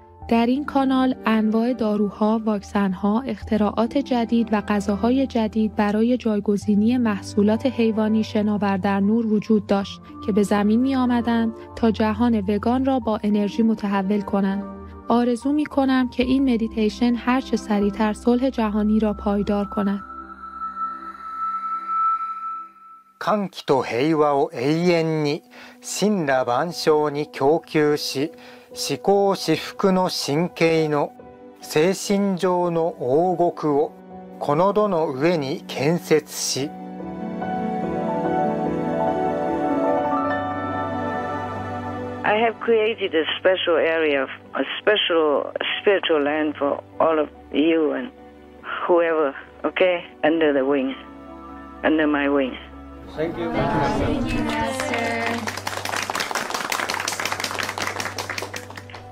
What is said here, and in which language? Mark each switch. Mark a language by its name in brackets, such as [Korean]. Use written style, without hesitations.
[Persian] در این کانال انواع داروها، واکسن‌ها، اختراعات جدید و غذاهای جدید برای جایگزینی محصولات حیوانی شناور در نور وجود داشت که به زمین می‌آمدند تا جهان وگان را با انرژی متحول کنند. آرزو می کنم که این مدیتیشن هرچه سریعتر صلح جهانی را پایدار کند. [Japanese] 歓喜と平和を永遠に森羅万象に供給し至高至福の神経の精神上の王国をこの土の上に建設し [English] I have created a special area, a special spiritual land for all of you and whoever, okay? Under the wing, under my wing. Thank you. Thank you, Master. Thank you, Master.